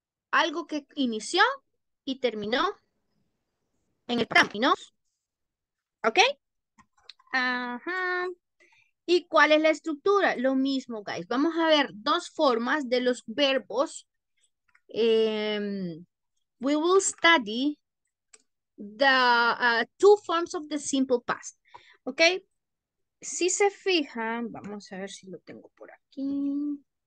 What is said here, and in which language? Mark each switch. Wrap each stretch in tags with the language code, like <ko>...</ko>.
<es>Algo que inició y terminó en el camino. ¿Ok? Ajá. ¿Y cuál es la estructura? Lo mismo, guys. Vamos a ver dos formas de los verbos.</es> <en>We will study the two forms of the simple past.</en> <es>¿Ok? Si se fijan, vamos a ver si lo tengo por aquí.</es>